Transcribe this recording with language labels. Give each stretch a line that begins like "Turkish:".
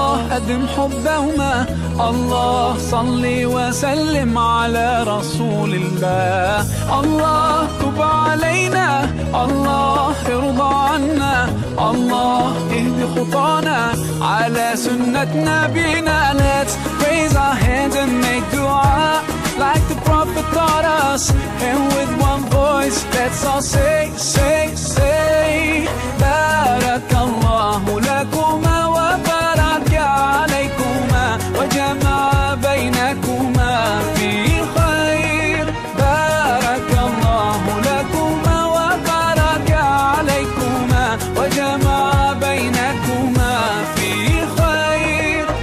Arabic: الله صلي وسلم على رسول الله. الله تب علينا. الله ارضى عنا. الله اهدي خطانا على سنة نبينا.
English: Let's raise our hands and make dua like the Prophet taught us. And with one voice, let's all say, say, say,
Arabic: بارك الله لكما وبارك عليكما وجمع بينكما في خير. بارك الله لكما وبارك عليكما وجمع بينكما في خير.